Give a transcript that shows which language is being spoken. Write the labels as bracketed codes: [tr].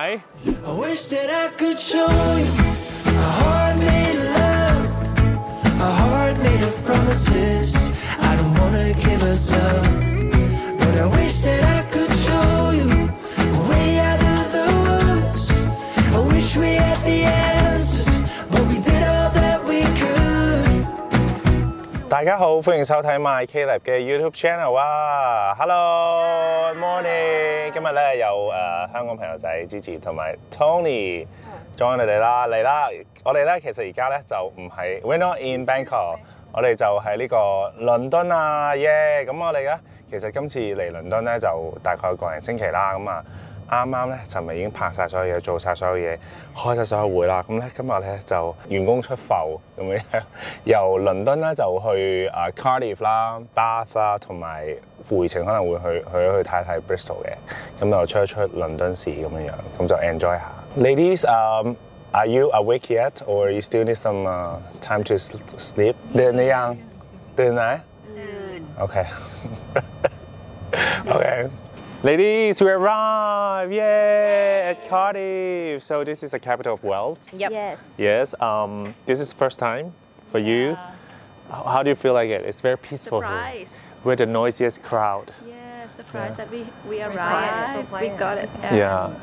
[en] I wish that I could show you a heart made of love, a heart made of promises. I don't wanna give us up, but I wish that I could show you a way out of the woods. I wish we had the answers, but we did all that we could. [yue] 大家好，欢迎收睇 myKleb 嘅 YouTube channel 啊 ，Hello。今日咧有香港朋友仔 Gigi 同埋 Tony join 我哋啦，嚟啦！我哋咧其實而家咧就唔係 [en] We're not in Bangkok， [yue] 我哋就喺呢個倫敦啊，咁我哋咧其實今次嚟倫敦咧就大概個零星期啦，咁啊啱啱咧尋日已經拍曬所有嘢，做曬所有嘢，開曬所有會啦，咁咧今日咧就員工出埠咁樣由倫敦咧就去 Cardiff 啦 ，Bath 啦，同埋。回程可能會去泰泰 Bristol 嘅，咁就出一出倫敦市咁樣，咁就 enjoy 下。 [en] Ladies， are you awake yet or you still need some time to sleep？ [yue] 你點樣？點樣 ？OK，OK。Okay. [en] Ladies, we arrive! Yay! At Cardiff. So this is the capital of Wales. Yep. Yes. Yes. This is the first time for you. Yeah. How do you feel like it? It's very peaceful Surprise. Here. We're the noisiest crowd. Yeah, surprised yeah. that we arrived. We got it. Yeah.